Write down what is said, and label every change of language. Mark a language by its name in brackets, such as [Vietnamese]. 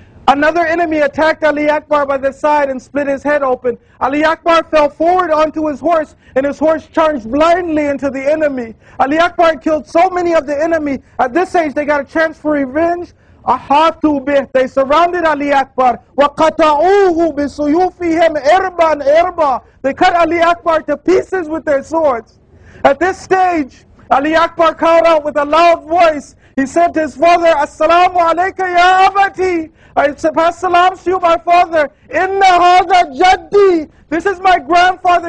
[English] Another enemy attacked Ali Akbar by the side and split his head open. Ali Akbar fell forward onto his horse and his horse charged blindly into the enemy. Ali Akbar killed so many of the enemy. At this age, they got a chance for revenge. [Arabic] Ahatu bih. [English] They surrounded Ali Akbar. [Arabic] وَقَطَعُوهُ بِسُيُوفِهِمْ إِرْبًا إِرْبًا. [English] They cut Ali Akbar to pieces with their swords. At this stage, Ali Akbar called out with a loud voice. He said to his father, [Arabic] "Assalamu alayka ya abati." [English] I pass salams to you, my father. [Arabic] "Inna hadha jaddi." [English] This is my grandfather.